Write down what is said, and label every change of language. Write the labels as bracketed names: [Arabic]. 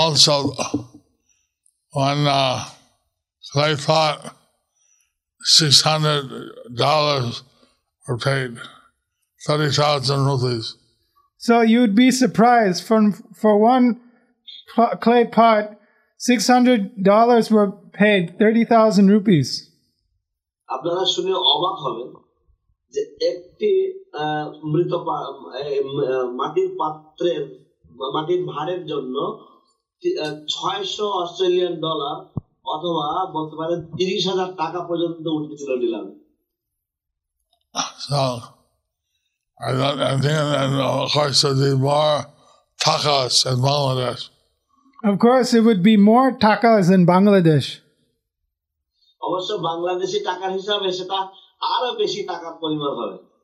[English] One clay pot, $600 were paid, 30,000 rupees. So you'd be surprised. For one clay pot, $600 were paid, 30,000 rupees. [Bangla] আপনারা শুনে অবাক হবেন যে একটি মৃত মাটির পাত্রের মাটির ভাড়ের জন্য $600 অথবা বলতে পারে $30,000 পর্যন্ত উঠেছিল নিলাম। [English] So and of course there were more takas in Bangladesh. Of course it would be more takas in Bangladesh. [Bangla] অবশ্য বাংলাদেশি টাকার হিসাবে সেটা আরো বেশি টাকার পরিমাণ হবে।